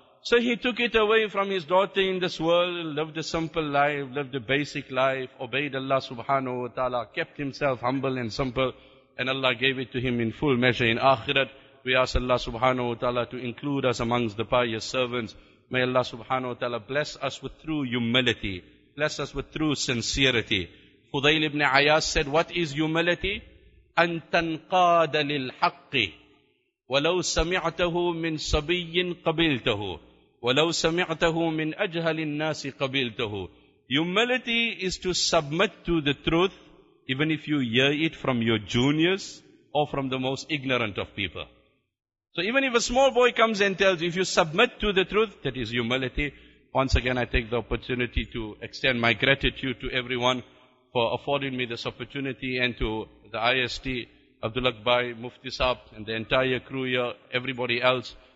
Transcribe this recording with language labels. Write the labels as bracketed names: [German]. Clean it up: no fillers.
[English] So he took it away from his daughter in this world, lived a simple life, lived a basic life, obeyed Allah subhanahu wa ta'ala, kept himself humble and simple, and Allah gave it to him in full measure in akhirat. We ask Allah subhanahu wa ta'ala to include us amongst the pious servants. May Allah subhanahu wa ta'ala bless us with true humility. Bless us with true sincerity. Fudayl ibn Ayyaz said, what is humility? [Arabic] أن تنقاد للحق ولو سمعته من صبي قبلته ولو سمعته من أجهل الناس قبلته. [English] Humility is to submit to the truth even if you hear it from your juniors or from the most ignorant of people. So even if a small boy comes and tells you, if you submit to the truth, that is humility. Once again, I take the opportunity to extend my gratitude to everyone for affording me this opportunity, and to the IST, Abdul Akbar, Mufti Saab, and the entire crew here, everybody else.